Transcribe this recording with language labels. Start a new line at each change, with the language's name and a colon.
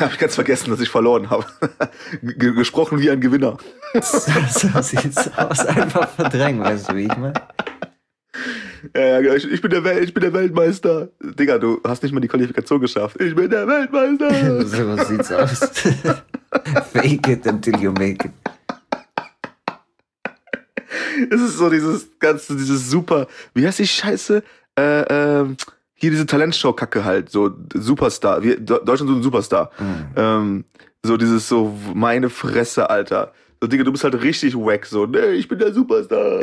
German: Hab ich ganz vergessen, dass ich verloren habe. Gesprochen wie ein Gewinner. So sieht's aus. Einfach verdrängen, weißt du, wie ich meine? Ja, ich bin der Weltmeister. Digga, du hast nicht mal die Qualifikation geschafft. Ich bin der Weltmeister. So sieht's aus.
English: Fake it until you make it.
German: Es ist so dieses ganze, dieses super, wie heißt die Scheiße? Hier diese Talentshow-Kacke halt, so Superstar, Deutschland so ein Superstar. Mhm. So dieses so, meine Fresse, Alter. So Digga, du bist halt richtig wack, so, nee, ich bin der Superstar.